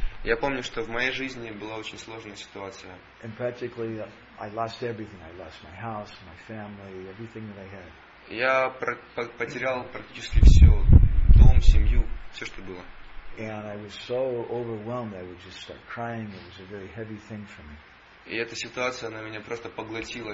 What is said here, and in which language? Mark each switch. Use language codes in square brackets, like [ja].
[ru] Я помню, что в моей жизни была очень сложная ситуация. [en] And practically I lost everything. I lost my house, my family, everything that I had. [ru] Я потерял практически все, дом, семью, все, что было. [en] And I was so overwhelmed, I would just start crying. It was a very heavy thing for me. [ru] И эта ситуация, она меня просто поглотила.